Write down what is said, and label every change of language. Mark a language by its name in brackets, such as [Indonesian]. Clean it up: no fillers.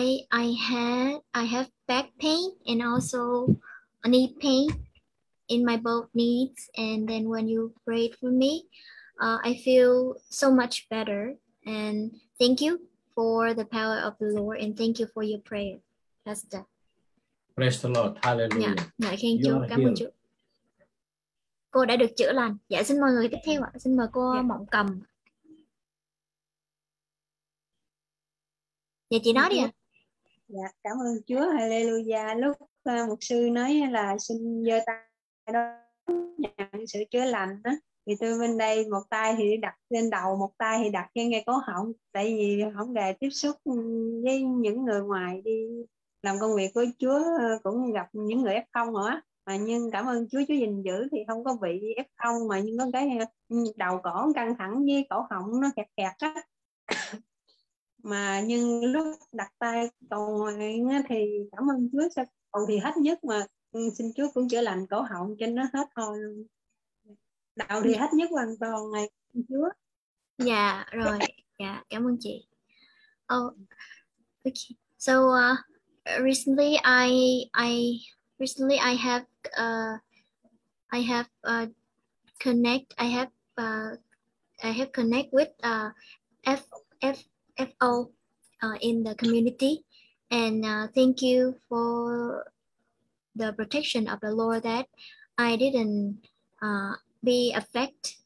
[English] I have back pain and also knee pain in my both knees, and then when you prayed for me, I feel so much better, and thank you for the power of the Lord, and thank you for your prayer, Pastor. Praise the Lord. Hallelujah. Yeah. Thank you. [Vietnamese] Cảm ơn Chúa. Cô đã được chữa lành. Dạ, xin mời người tiếp theo ạ. Xin mời cô Mộng Cầm. Dạ, chị nói đi ạ. Dạ, cảm ơn Chúa. Hallelujah. Lúc mục sư nói là xin giơ tay đón nhận sự chữa lành á, thì tôi bên đây một tay thì đặt lên đầu, một tay thì đặt trên ngay cổ họng, tại vì không để tiếp xúc với những người ngoài đi làm công việc của Chúa, cũng gặp những người F0 hả. Mà nhưng cảm ơn Chúa gìn giữ thì không có bị F0, mà nhưng có cái đầu cổ căng thẳng với cổ họng nó kẹt kẹt á. Mà nhưng lúc đặt tay cầu nguyện thì cảm ơn Chúa sẽ cầu thì hết nhất, mà xin Chúa cũng chữa lành cổ họng cho nó hết thôi luôn. Đạo thì hết nhất hoàn toàn này Chúa. Dạ rồi, dạ cảm ơn chị. Oh, okay. [English] So recently I have connect with FO in the community, and thank you for the protection of the Lord that I didn't be affected